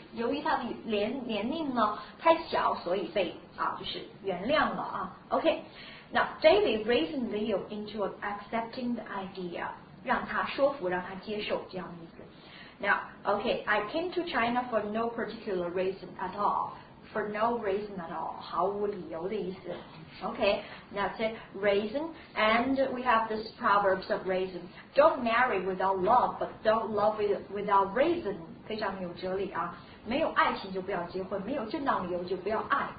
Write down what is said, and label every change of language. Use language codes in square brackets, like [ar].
[zh] 由于他的年龄呢太小，所以被啊就是原谅了啊。 [en] OK, now David reasoned Leo into accepting the idea. [zh] 让他说服，让他接受这样的意思。 [en] Now, OK, I came to China for no particular reason at all. For no reason at all, [zh] 毫无理由的意思。 [en] OK, that's it, reason, and we have this proverbs of reason. Don't marry without love, but don't love without reason. [zh] 非常有哲理啊，没有爱情就不要结婚，没有正当理由就不要爱。